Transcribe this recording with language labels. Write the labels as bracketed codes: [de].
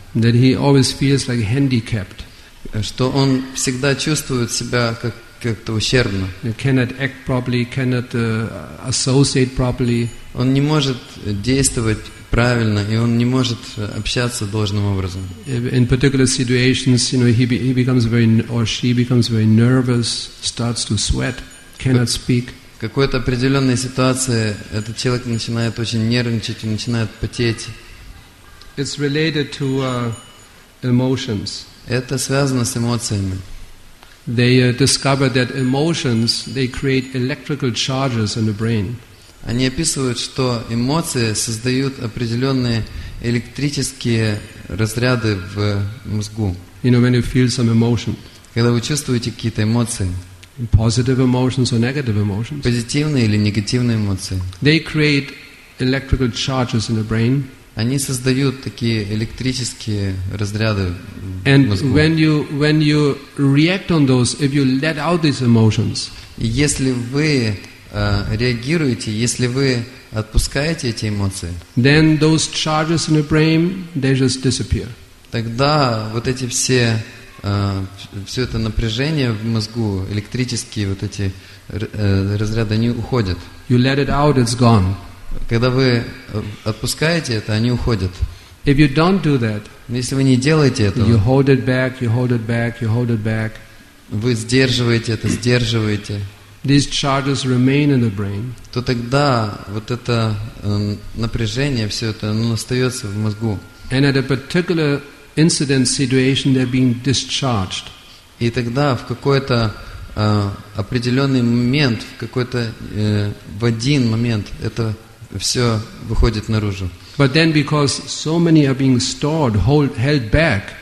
[en] That he always feels like handicapped. [ru] Что он всегда чувствует себя как-то ущербно. [en] He cannot act properly, cannot associate properly. [ru] Он не может действовать правильно, и он не может общаться должным образом. [en] In particular situations, you know, he becomes very, or she becomes very nervous, starts to sweat, cannot speak. [ru] В какой-то определенной ситуации этот человек начинает очень нервничать и начинает потеть. [en] It's related to emotions. [ru] Это связано с эмоциями. [en] They discover that emotions, they create electrical charges in the brain. [ru] Они описывают, что эмоции создают определенные электрические разряды в мозгу. [en] You know, when you feel some emotion. [ru] Когда вы чувствуете какие-то эмоции. [en] Positive emotions or negative emotions. [ru] Позитивные или негативные эмоции. [en] They create electrical charges in the brain. [ru] Они создают такие электрические разряды [en] And [ru] в мозгу. [en] And when you react on those, if you let out these emotions. [ru] Если вы реагируете, если вы отпускаете эти эмоции, [en] then those charges in the brain, they just disappear. [ru] Тогда вот эти все все это напряжение в мозгу, электрические вот эти разряды, они уходят. [en] You let it out, it's gone. [ru] Когда вы отпускаете это, они уходят. [en] If you don't do that, [ru] если вы не делаете этого, [en] you hold it back, you hold it back, you hold it back. [ru] Вы сдерживаете это, сдерживаете. [en] These charges remain in the brain. [ru] То тогда вот это напряжение, все это, оно остается в мозгу. [en] And at a particular incident situation, they're being discharged. [ru] И тогда в какой-то определенный момент, в какой-то в один момент это все выходит наружу. [en] But then, because so many are being stored, held back.